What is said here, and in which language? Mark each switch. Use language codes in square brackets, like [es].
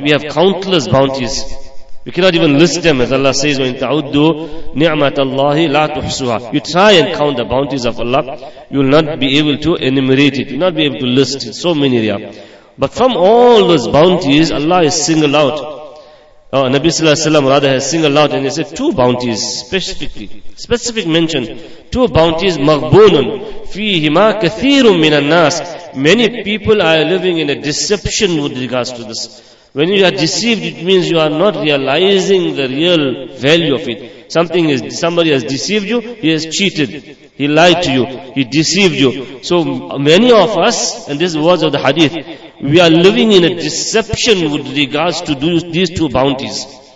[en] We have countless bounties. We cannot even list them, as Allah says, [ar] وَإِن تَعُدُّوا نِعْمَةَ اللَّهِ لَا تُحْصُوهَا. [en] You try and count the bounties of Allah, you will not be able to enumerate it. You will not be able to list it. So many there. But from all those bounties, Allah is singled out. Nabi Sallallahu Alaihi Wasallam rather has singled out, and he said two bounties specifically. Specific mention. Two bounties, [ar] مَغْبُونٌ فِيهِمَا كَثِيرٌ مِنَ النَّاسِ. [en] Many people are living in a deception with regards to this. When you are deceived, it means you are not realizing the real value of it. Somebody has deceived you, he has cheated. He lied to you, he deceived you. So many of us, and this is the words of the hadith, we are living in a deception with regards to these two bounties.